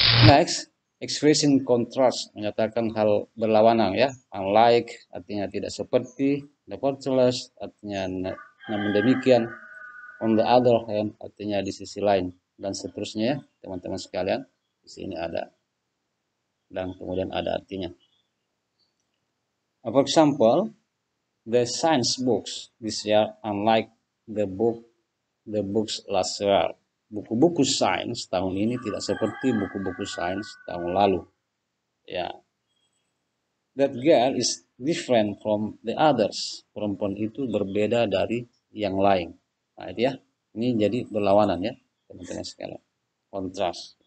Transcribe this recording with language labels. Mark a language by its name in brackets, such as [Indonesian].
[Indonesian] Next, expression contrast menyatakan hal berlawanan ya, unlike artinya tidak seperti, nevertheless artinya namun demikian, [English] on the other hand [Indonesian] artinya di sisi lain, dan seterusnya ya teman-teman sekalian. Di sini ada dan kemudian ada artinya. [English] For example, the science books this year unlike the books last year. [Indonesian] Buku-buku sains tahun ini tidak seperti buku-buku sains tahun lalu. Ya. [English] That girl is different from the others. [Indonesian] Perempuan itu berbeda dari yang lain. Nah, itu ya. Ini jadi berlawanan ya, teman-teman sekalian. Kontras.